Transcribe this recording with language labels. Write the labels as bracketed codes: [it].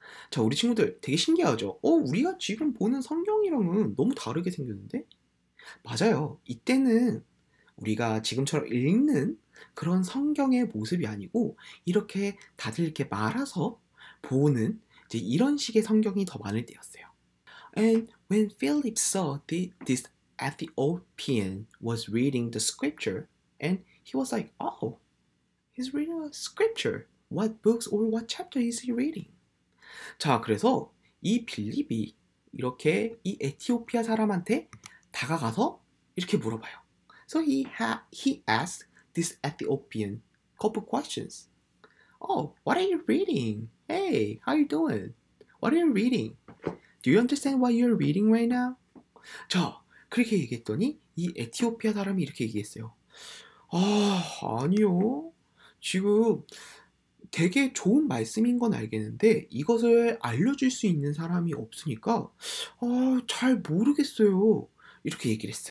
[ko] 자, 우리 친구들 되게 신기하죠? 우리가 지금 보는 성경이랑은 너무 다르게 생겼는데? 맞아요. 이때는 우리가 지금처럼 읽는 그런 성경의 모습이 아니고 이렇게 다들 이렇게 말아서 보는 이제 이런 식의 성경이 더 많을 때였어요. [en] And when Philip saw this Ethiopian was reading the scripture and he was like, oh, he's reading a scripture. What books or what chapter is he reading? [ko] 자, 그래서 이 빌립이 이렇게 이 에티오피아 사람한테 다가가서 이렇게 물어봐요. [en] So he asked this Ethiopian couple questions. Oh, what are you reading? Hey, how you doing? What are you reading? Do you understand what you're reading right now? [ko] 자, 그렇게 얘기했더니 이 에티오피아 사람이 이렇게 얘기했어요. 아니요. 지금 되게 좋은 말씀인 건 알겠는데 이것을 알려줄 수 있는 사람이 없으니까 잘 모르겠어요. 이렇게 얘기를 했어요.